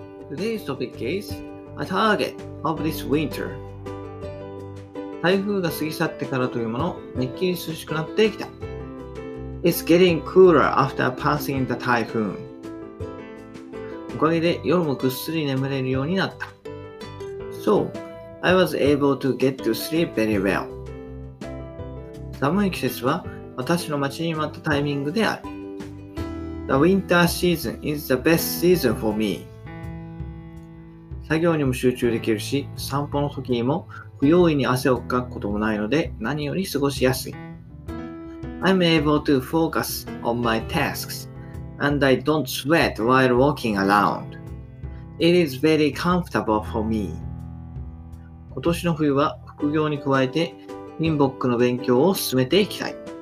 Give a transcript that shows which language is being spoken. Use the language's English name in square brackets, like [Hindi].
[English] Today's topic is a target of this winter. [Japanese] 台風が過ぎ去ってからというもの、めっきり涼しくなってきた。 [English] It's getting cooler after passing the typhoon. [Japanese] おかげで夜もぐっすり眠れるようになった。 [English] So, I was able to get to sleep very well. [Japanese] 寒い季節は私の待ちに待ったタイミングである。 [English] The winter season is the best season for me. [Japanese] 作業にも集中できるし、散歩の時にも不用意に汗をかくこともないので、何より過ごしやすい。 [English] I'm able to focus on my tasks and I don't sweat while walking around. It is very comfortable for me. [Japanese] 今年の冬は副業に加えて、ミンボックの勉強を進めていきたい。